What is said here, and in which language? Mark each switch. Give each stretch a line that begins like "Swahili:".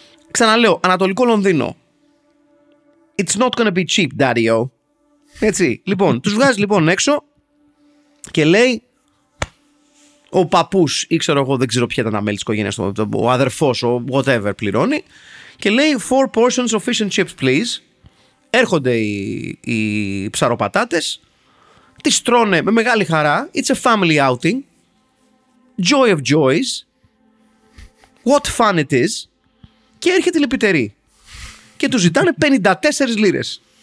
Greek: Ξαναλέω, Ανατολικό Λονδίνο.
English: It's not gonna be cheap, daddy-o.
Greek: Έτσι. Λοιπόν, τους βγάζεις λοιπόν έξω και λέει ο παππούς ή ξέρω εγώ, δεν ξέρω ποια ήταν τα μέλη της οικογένειας, ο αδερφός, ο whatever, πληρώνει. Και λέει,
English: 4 portions of fish and chips, please.
Greek: Έρχονται οι ψαροπατάτες, τις τρώνε με μεγάλη χαρά.
English: It's a family outing. Joy of joys. What fun it is.
Greek: Και έρχεται η λεπιτερή. Και του ζητάνε 54 λίρες.